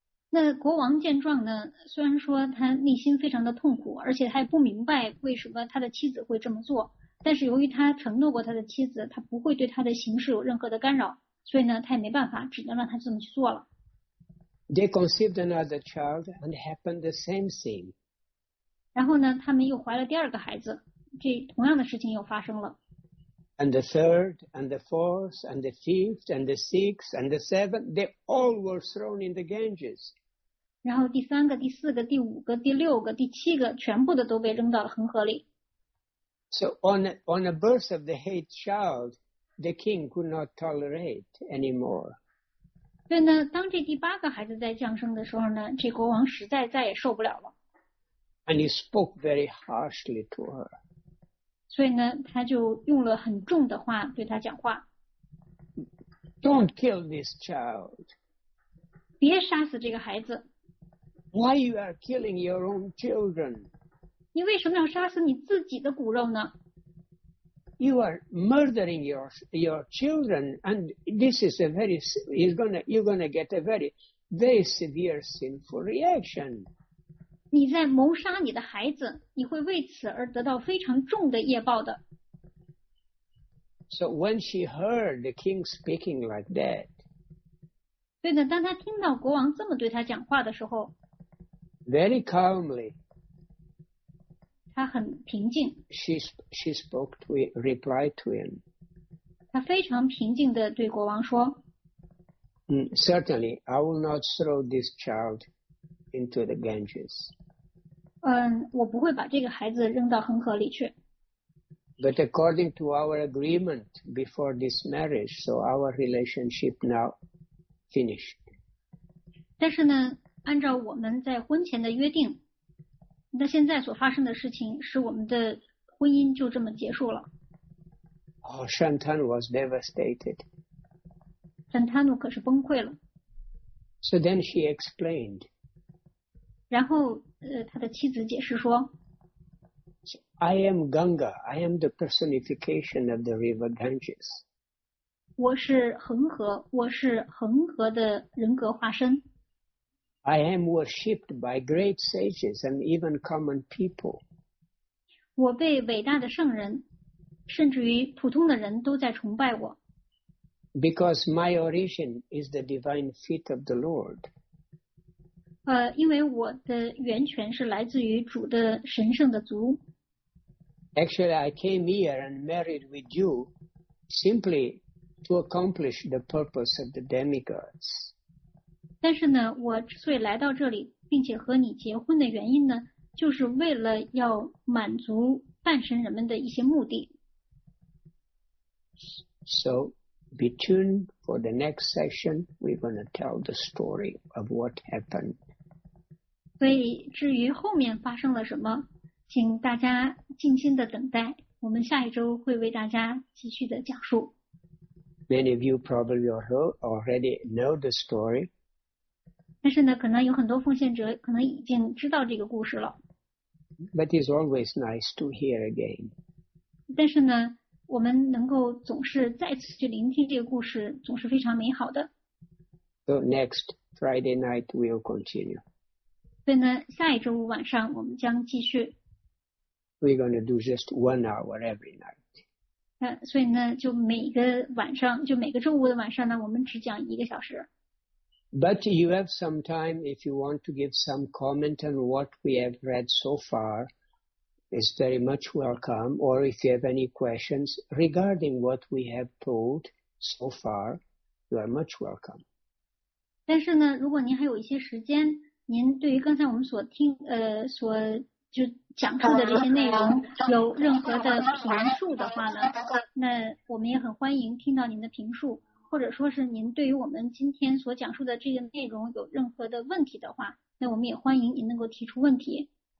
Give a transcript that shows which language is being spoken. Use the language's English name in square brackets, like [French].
[Chinese] 那国王见状呢，虽然说他内心非常的痛苦，而且他也不明白为什么他的妻子会这么做，但是由于他承诺过他的妻子，他不会对他的行事有任何的干扰，所以呢，他也没办法，只能让他这么去做了。 [English] They conceived another child and happened the same thing. [Chinese] 然后呢，他们又怀了第二个孩子，这同样的事情又发生了。 [English] And the third, and the fourth, and the fifth, and the sixth, and the seventh, they all were thrown in the Ganges. [Chinese] 然后第三个、第四个、第五个、第六个、第七个，全部的都被扔到了恒河里。 [English] So on the birth of the eighth child, the king could not tolerate anymore. [Chinese] 所以呢，当这第八个孩子在降生的时候呢，这国王实在再也受不了了。 [English] And he spoke very harshly to her. [Chinese] 所以呢，他就用了很重的话对他讲话。 [English] Don't kill this child. [Chinese] 别杀死这个孩子。 [English] Why you are killing your own children? [Chinese] 你为什么要杀死你自己的骨肉呢？ [English] You are murdering your children, and this is a very you're gonna get a very very severe sinful reaction. [Chinese] 你在谋杀你的孩子，你会为此而得到非常重的业报的。 [English] So when she heard the king speaking like that, [Chinese] 对的，当他听到国王这么对他讲话的时候。 [English] Very calmly, [Chinese] 她很平静。 [English] She spoke to him, replied to him. [Chinese] 她非常平静地对国王说。 [English] Certainly, I will not throw this child into the Ganges. [Chinese] 我不会把这个孩子扔到恒河里去。 [English] But according to our agreement before this marriage, so our relationship now finished. [Chinese] 但是呢，按照我们在婚前的约定，那现在所发生的事情使我们的婚姻就这么结束了。 [English] Oh, Shantanu was devastated. [Chinese] Shantanu 可是崩溃了。 [English] So then she explained. [Chinese] 然后，他的妻子解释说。 [English] I am Ganga. I am the personification of the river Ganges. [Chinese] 我是恒河，我是恒河的人格化身。 [English] I am worshipped by great sages and even common people. [Chinese] 我被伟大的圣人，甚至于普通的人都在崇拜我。 [English] Because my origin is the divine feet of the Lord. [Chinese] 因为我的源泉是来自于主的神圣的足。 [English] Actually, I came here and married with you simply to accomplish the purpose of the demigods. [Chinese] 但是呢，我之所以来到这里，并且和你结婚的原因呢，就是为了要满足半神人们的一些目的。 [English] So, be tuned for the next session. We're going to tell the story of what happened. [Chinese] 所以，至于后面发生了什么？请大家静心的等待，我们下一周会为大家继续的讲述。 [English] Many of you probably already know the story. [Chinese] 但是呢，可能有很多奉献者可能已经知道这个故事了。 [English] But it's always nice to hear again. [Chinese] 但是呢，我们能够总是再次去聆听这个故事，总是非常美好的。 [English] So next Friday night we'll continue. [Chinese] 所以呢，下一周五晚上我们将继续。 [English] We're going to do just 1 hour every night. [Chinese] 所以呢，就每个晚上，就每个周五的晚上呢，我们只讲一个小时。 [English] But you have some time if you want to give some comment on what we have read so far. It's very much welcome. Or if you have any questions regarding what we have told so far, you are much welcome. [Chinese] 但是呢，如果您还有一些时间，您对于刚才我们所听，所就讲述的这些内容有任何的评述的话呢，那我们也很欢迎听到您的评述，或者说是您对于我们今天所讲述的这个内容有任何的问题的话，那我们也欢迎您能够提出问题。